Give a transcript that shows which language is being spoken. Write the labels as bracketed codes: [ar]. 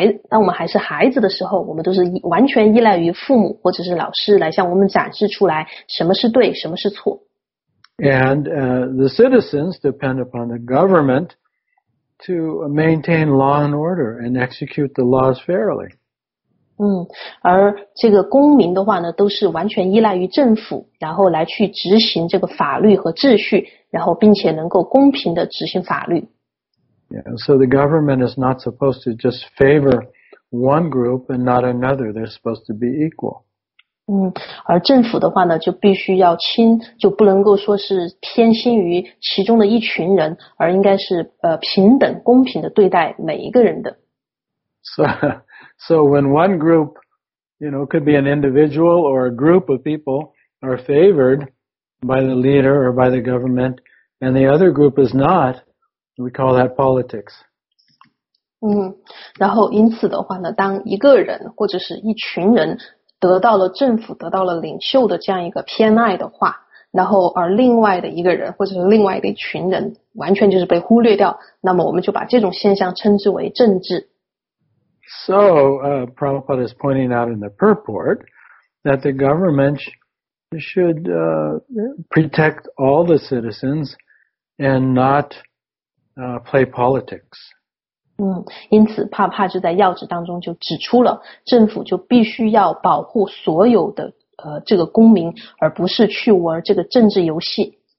[zh] 当我们还是孩子的时候，我们都是完全依赖于父母或者是老师来向我们展示出来什么是对，什么是错。 [en] And the citizens depend upon the government to maintain law and order and execute the laws fairly. [zh] 而这个公民的话呢，都是完全依赖于政府，然后来去执行这个法律和秩序，然后并且能够公平的执行法律。 [en] Yeah, so the government is not supposed to just favor one group and not another. They're supposed to be equal. [zh] 而政府的话呢，就必须要亲，就不能够说是偏心于其中的一群人，而应该是平等公平的对待每一个人的。 [en] So when one group, you know, could be an individual or a group of people are favored by the leader or by the government, and the other group is not, we call that politics. [zh] 然后因此的话呢，当一个人或者是一群人得到了政府、得到了领袖的这样一个偏爱的话，然后而另外的一个人或者是另外的一群人完全就是被忽略掉，那么我们就把这种现象称之为政治。 [en] So, Prabhupada is pointing out in the purport that the government should protect all the citizens and not play politics. [zh] 因此帕帕就在要旨当中就指出了，政府就必须要保护所有的这个公民，而不是去玩这个政治游戏。